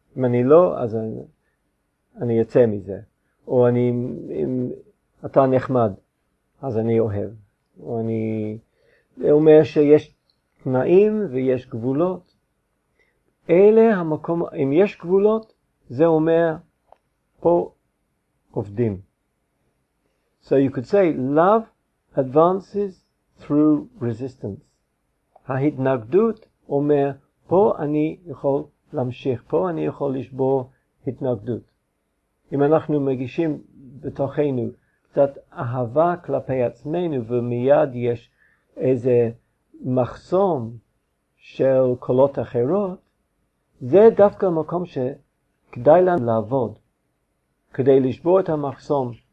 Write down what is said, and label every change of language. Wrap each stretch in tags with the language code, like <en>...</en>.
<he>אם אני לא, אז אני יצא מזה. או אני, אם אתה נחמד, אז אני אוהב. או אני, זה אומר שיש תנאים ויש גבולות. אלה המקום, אם יש גבולות, זה אומר, פה עובדים.</he> <en>So you could say, love advances through resistance.</en> <he>ההתנגדות אומר, פה אני יכול להמשיך, פה אני יכול לשבור התנגדות. אם אנחנו מגישים בתוכנו קצת אהבה כלפי עצמנו, ומיד יש איזה מחסום של קולות אחרות, זה דווקא מקום שכדאי לנו לעבוד, כדי לשבור את המחסום.</he>